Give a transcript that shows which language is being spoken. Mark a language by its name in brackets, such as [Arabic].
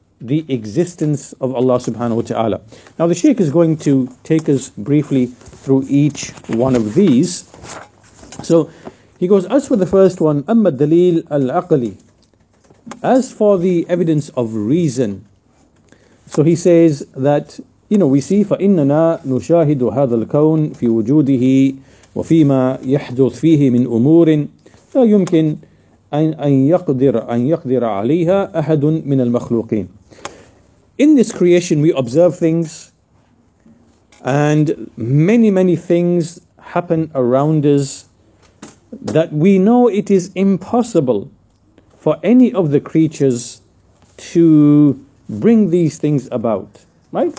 [English] the existence of Allah subhanahu wa ta'ala. Now the Shaykh is going to take us briefly through each one of these. So he goes, as for the first one, [Arabic] أَمَّا الدَّلِيلُ الْعَقْلِ, [English] as for the evidence of reason. So he says that, you know, we see, [Arabic] فَإِنَّنَا نُشَاهِدُ هَذَا الْكَوْنِ فِي وُجُودِهِ وَفِيمَا يَحْدُثُ فِيهِ مِنْ أُمُورٍ لَا يُمْكِنْ أَنْ يَقْدِرَ عَلَيْهَا أَحَدٌ مِنَ الْمَخْلُوقِينَ. [English] In this creation, we observe things, and many, many things happen around us that we know it is impossible for any of the creatures to bring these things about, right?